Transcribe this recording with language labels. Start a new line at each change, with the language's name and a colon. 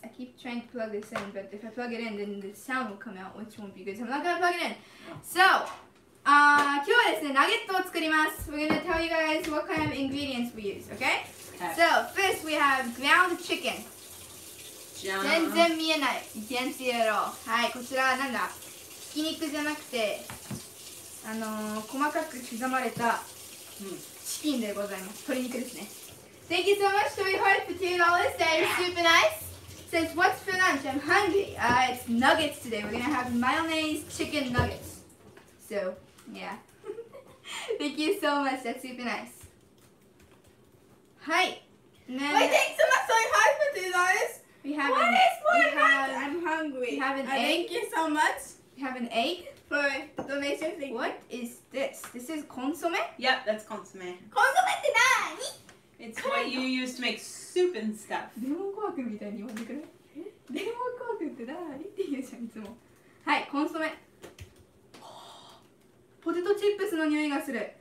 English: I keep trying to plug this in, but if I plug it in, then the sound will come out, which won't be good. So I'm not gonna plug it in.
Japanese: So, 今日はですね、ナゲットを作ります。
English: We're gonna tell you guys what kind of ingredients we use, okay? So, first we have ground chicken.
Japanese: 全然見えない。
English: You can't see it at all.
Japanese: はい、こちらはなんだ? ひき肉じゃなくて、細かく刻まれたチキンでございます。鶏肉ですね。
English: Thank you so much to my heart for $2. That is super nice. Since what's for lunch? I'm hungry. It's nuggets today. We're gonna have mayonnaise chicken nuggets. So, yeah. Thank you so much. That's super nice. Hi. Wait, thanks so much for my heart for $2. What is more than I'm hungry. We have an egg. Thank you so much. We have an egg. For donation. What is this? This is consomme? Yep, that's consomme.
Japanese: Consomme って何?
English: It's what you use to make soup and stuff.
Japanese: デモン紅白みたいに言わんでくれ。デモン紅白ってだーりって言うじゃん、いつも。はい、コンソメ。ポテトチップスの匂いがする。